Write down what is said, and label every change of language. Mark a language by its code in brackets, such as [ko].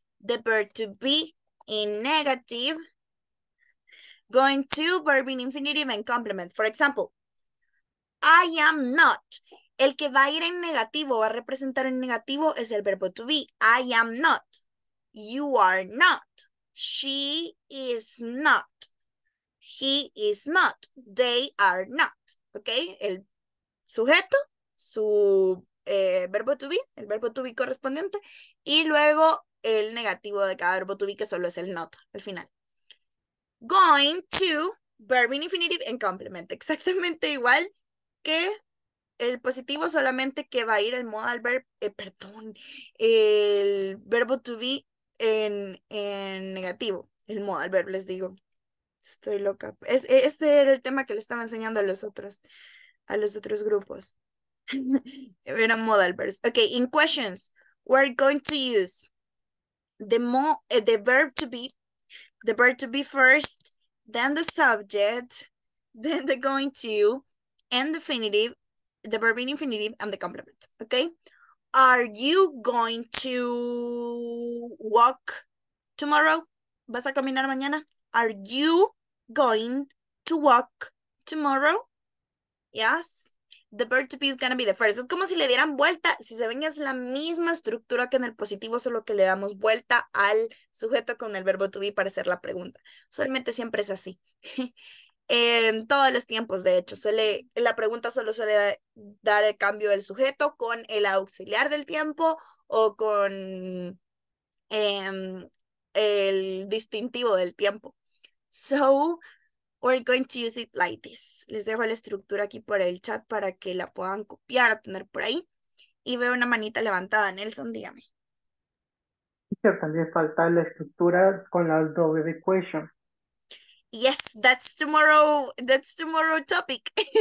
[en] The verb to be in negative, going to, verb in infinitive, and complement. For example, I am not. [es] El que va a ir en negativo, va a representar en negativo, es el verbo to be. [en] I am not. You are not. She is not. He is not. They are not. ¿Ok? [es] El sujeto, su verbo to be, el verbo to be correspondiente, y luego el negativo de cada verbo to be, que solo es el not, al final. [en] Going to, verb in infinitive, and complement. [es] Exactamente igual que el positivo, solamente que va a ir el modal verb, perdón, el verbo to be en negativo, el modal verb, les digo. Estoy loca. Este era el tema que le estaba enseñando a los otros grupos. Eran [en] modal verbs. Ok, in questions, we're going to use. the verb to be, the verb to be first, then the subject, then the going to, and the infinitive, the verb in infinitive, and the complement. Okay. Are you going to walk tomorrow? [es] ¿Vas a caminar mañana? [en] Are you going to walk tomorrow? Yes. The verb to be is going to be the first. [es] Es como si le dieran vuelta. Si se ven, es la misma estructura que en el positivo, solo que le damos vuelta al sujeto con el verbo to be para hacer la pregunta. Solamente siempre es así. En todos los tiempos, de hecho, la pregunta solo suele dar el cambio del sujeto con el auxiliar del tiempo o con el distintivo del tiempo. [en] So, we're going to use it like this. [es] Les dejo la estructura aquí por el chat para que la puedan copiar, tener por ahí. Y veo una manita levantada. Nelson, dígame. También falta la estructura con las W equation. [en] Yes, that's tomorrow topic.